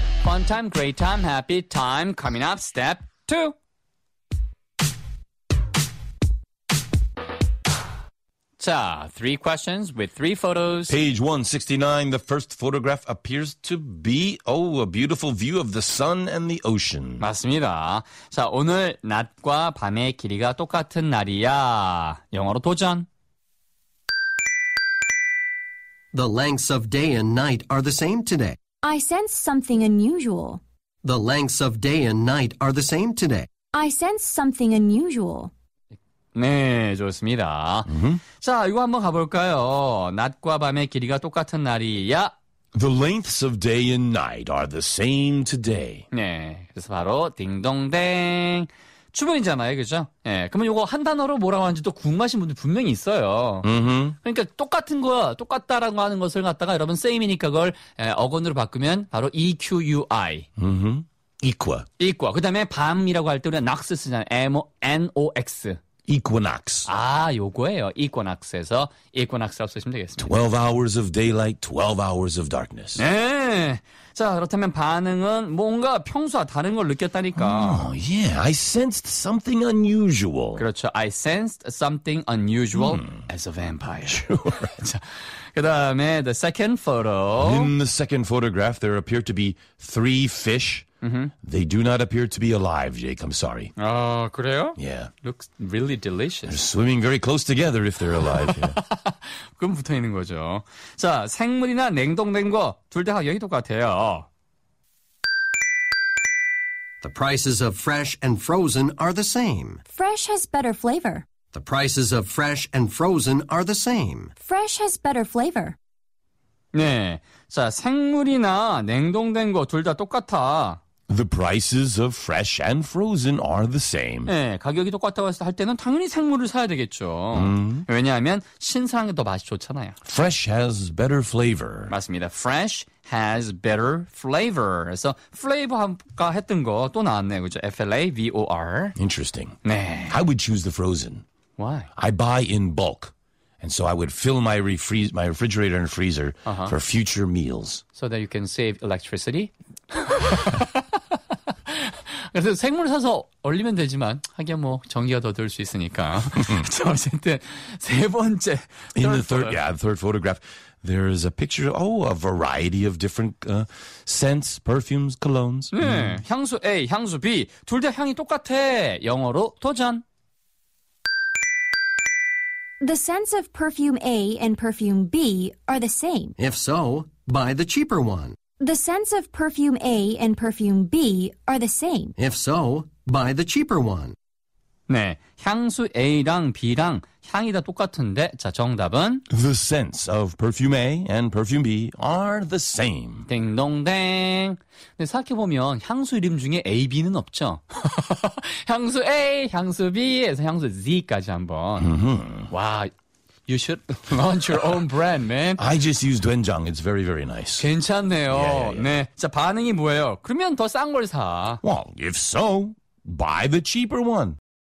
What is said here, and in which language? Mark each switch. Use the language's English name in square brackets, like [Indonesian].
[English] Fun time, great time, happy time. Coming up, step two. 자, three questions with three photos. Page 169, the first photograph appears to be, oh, a beautiful view of the sun and the ocean. [Korean] 맞습니다. 자, 오늘 낮과 밤의 길이가 똑같은 날이야. 영어로 도전. [English] The lengths of day and night are the same today. I sense something unusual. The lengths of day and night are the same today. I sense something unusual. [Korean] 네, 좋습니다. Mm-hmm. 자, 이거 한번 가볼까요? 낮과 밤의 길이가 똑같은 날이야. [English] The lengths of day and night are the same today. [Korean] 네, 그래서 바로 딩동댕. 추문이잖아요, 그죠? 예, 그러면 이거 한 단어로 뭐라고 하는지 또 궁금하신 분들 분명히 있어요. 음흠. 그러니까 똑같은 거, 똑같다라고 하는 것을 갖다가 여러분 same이니까 그걸 어근으로 바꾸면 바로 EQUI. 음흠. Equa. [English] Equa. [Korean] 그 다음에 밤이라고 할 때 우리는 nox 쓰잖아요. [English] N-O-X. Equinox. [Korean] 아, 요거예요. Equinox에서 Equinox라고 쓰시면 되겠습니다. [English] 12 hours of daylight, 12 hours of darkness. [Korean] 네. 자, 그렇다면 반응은 뭔가 평소와 다른 걸 느꼈다니까. [English] Oh, yeah. I sensed something unusual. [Korean] 그렇죠. [English] I sensed something unusual as a vampire. Sure. [Korean] 자, 그다음에 [English] the second photo. In the second photograph, there appear to be three fish. Mm-hmm. They do not appear to be alive, Jake. I'm sorry. [Korean] Oh, 그래요? [English] Yeah. Looks really delicious. They're swimming very close together if they're alive. [Korean] 그럼 붙어 있는 거죠. 자, 생물이나 냉동된 거 둘 다 가격이 똑같아요. [English] The prices of fresh and frozen are the same. Fresh has better flavor. The prices of fresh and frozen are the same. Fresh has better flavor. [Korean] 네. 자, 생물이나 냉동된 거 둘 다 똑같아. [English] The prices of fresh and frozen are the same. [Korean] 네, 가격이 똑같다고 했을 할 때는 당연히 생물을 사야 되겠죠. Mm. 왜냐하면 신선한 게 더 맛이 좋잖아요. [English] Fresh has better flavor. [Korean] 맞습니다. [English] Fresh has better flavor. [Korean] 그래서 flavor가 했던 거 또 나왔네요. 그죠? F-L-A-V-O-R. [English] Interesting. [Korean] 네. [English] I would choose the frozen. Why? I buy in bulk. And so I would fill my, my refrigerator and freezer for future meals. So that you can save electricity? [Korean] 그래서 생물 사서 얼리면 되지만 하긴 뭐 전기가 더 들 수 있으니까. 자, 어쨌든 세 번째. [English] In the third, the third photograph, there is a picture. Oh, a variety of different scents, perfumes, colognes. [Korean] 네, 향수 A, 향수 B. 둘 다 향이 똑같아. 영어로 도전. [English] The scents of perfume A and perfume B are the same. If so, buy the cheaper one. The scents of perfume A and perfume B are the same. If so, buy the cheaper one. [Korean] 네, 향수 A랑 B랑 향이 다 똑같은데, 자, 정답은? [English] The scents of perfume A and perfume B are the same. [Korean] 딩동댕. 근데 생각해보면 향수 이름 중에 A, B는 없죠? 향수 A, 향수 B에서 향수 Z까지 한번. Mm-hmm. [English] 와, you should launch your own brand, man. I just used 된장. It's very, very nice. [Korean] 괜찮네요. [English] Yeah, yeah, yeah. [Korean] 네, 자, 반응이 뭐예요? 그러면 더 싼 걸 사. [English] Well, if so, buy the cheaper one.